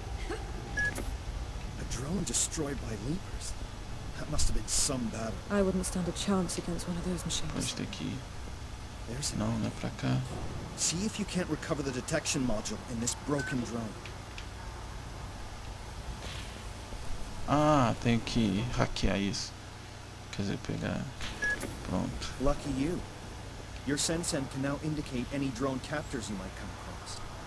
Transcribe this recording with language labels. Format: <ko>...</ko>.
<en>A drone destroyed by loopers. That must have been some battle. I wouldn't stand a chance against one of those machines.</en> <pt>Pode ter aqui. Não, não é pra cá.</pt> <en>See if you can't recover the detection module in this broken drone.</en> <pt>Ah, tenho que hackear isso. Quer dizer, pegar. Pronto.</pt> <en>Lucky you. Your sensen can now indicate any drone captors you might come across.</en>